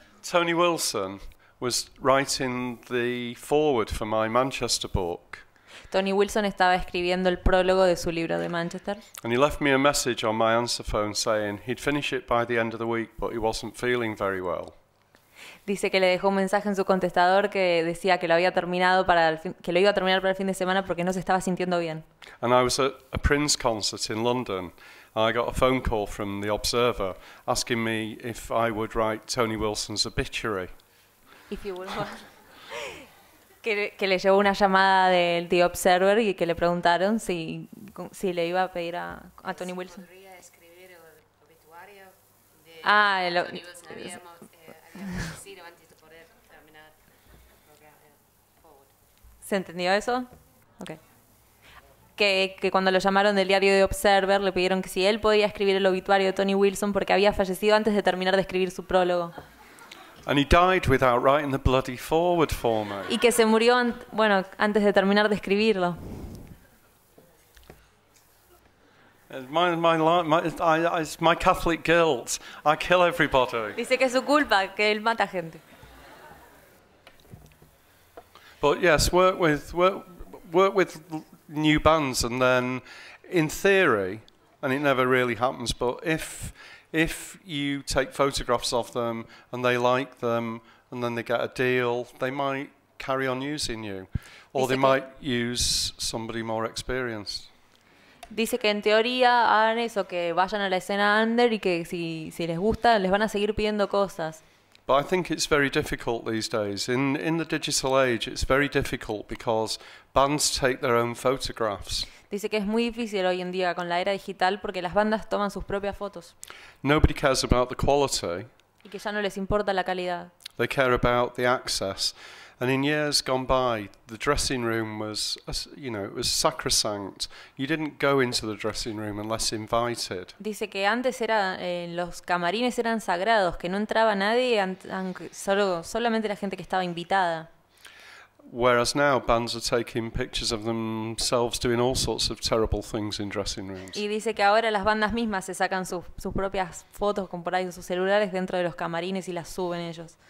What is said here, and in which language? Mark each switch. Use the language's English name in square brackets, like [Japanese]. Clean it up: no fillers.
[English] Tony Wilson was writing the foreword for my Manchester book. [Spanish] Tony Wilson estaba escribiendo el prólogo de su libro de Manchester. [English] And he left me a message on my answer phone saying he'd finish it by the end of the week, but he wasn't feeling very well. [Spanish] Dice que le dejó un mensaje en su contestador que decía que lo había terminado que lo iba a terminar para el fin de semana porque no se estaba sintiendo bien. [English] And I was at a Prince concert in London. And I got a phone call from the Observer asking me if I would write Tony Wilson's obituary. If you would. [Spanish] Que le llegó una llamada del The Observer y que le preguntaron si le iba a pedir a Tony Wilson. ¿Podría escribir el obituario de Tony Wilson? Habíamos decidido antes de poder terminar el programa. ¿Se entendió eso? Okay. Que cuando lo llamaron del diario The Observer, le pidieron que si él podía escribir el obituario de Tony Wilson porque había fallecido antes de terminar de escribir su prólogo. [English] And he died without writing the bloody forward for me. [Spanish] Y que se murió antes de terminar de escribirlo. [English] My Catholic guilt. I kill everybody. [Spanish] Dice que es su culpa, que él mata gente. [English] But yes, work with new bands, and then in theory, and it never really happens, but if you take photographs of them and they like them and then they get a deal, they might carry on using you, or they might use somebody more experienced. [Spanish] Dice que en teoría hagan eso, que vayan a la escena under y que si les gusta, les van a seguir pidiendo cosas. [English] But I think it's very difficult these days. In the digital age, it's very difficult because bands take their own photographs. [Spanish] Dice que es muy difícil hoy en día con la era digital porque las bandas toman sus propias fotos. [English] Nobody cares about the quality. [Spanish] Y que ya no les importa la calidad. [English] They care about the access. And in years gone by, the dressing room was, you know, it was sacrosanct. You didn't go into the dressing room unless invited. [Spanish] Dice que antes era los camarines eran sagrados, que no entraba nadie, solamente la gente que estaba invitada. [English] Whereas now bands are taking pictures of themselves doing all sorts of terrible things in dressing rooms. [Spanish] Y dice que ahora las bandas mismas se sacan sus propias fotos con por ahí sus celulares dentro de los camarines y las suben ellos.